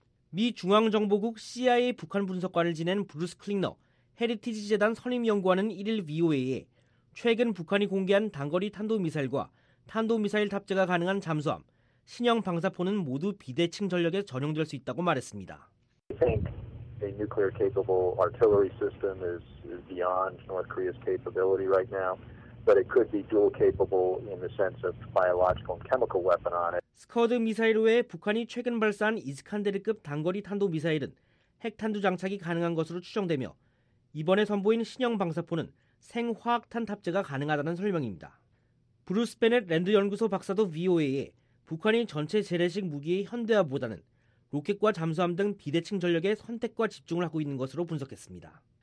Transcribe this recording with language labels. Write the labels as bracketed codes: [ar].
[ko] 미 중앙정보국 CIA 북한 분석관을 지낸 브루스 클링너 헤리티지 재단 선임연구원은 1일 VOA에 최근 북한이 공개한 단거리 탄도미사일과 탄도미사일 탑재가 가능한 잠수함, 신형 방사포는 모두 비대칭 전력에 전용될 수 있다고 말했습니다. [en] Nuclear capable artillery system is beyond North Korea's capability right now, but it could be dual capable in the sense of biological and chemical weapon on it. [ko] 스커드 미사일 외에 북한이 최근 발사한 이스칸데르급 단거리 탄도 미사일은 핵탄두 장착이 가능한 것으로 추정되며 이번에 선보인 신형 방사포는 생화학탄 탑재가 가능하다는 설명입니다. 브루스 베넷 랜드 연구소 박사도 VOA에 북한이 전체 재래식 무기의 현대화보다는 로켓과 잠수함 등 비대칭 전력의 선택과 집중을 하고 있는 것으로 분석했습니다.